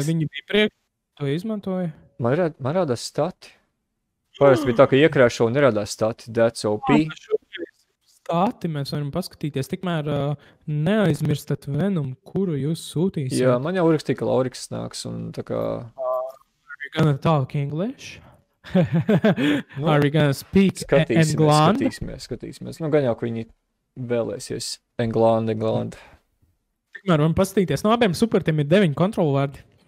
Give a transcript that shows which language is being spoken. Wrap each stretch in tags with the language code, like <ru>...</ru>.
<lv>Viņi bija priekš, to izmantoja. Man rādās stati. Parasti bija tā, ka iekrēšo un nerādās stati.</lv> <en>That's OP.</en> <lv>Stati mēs varam paskatīties. Tikmēr neaizmirstat Venomu, kuru jūs sūtīsiet. Jā, man jau rakstīja, ka Lauriks nāks. Un tā kā...</lv> <en>Are you gonna talk English? Nu, are you gonna speak Englund?</en> <lv>Skatīsimies. Nu, gan jau, ka viņi vēlēsies Englund. Tikmēr varam paskatīties. No abiem supertiem ir 9 kontrolu vārdi.</lv>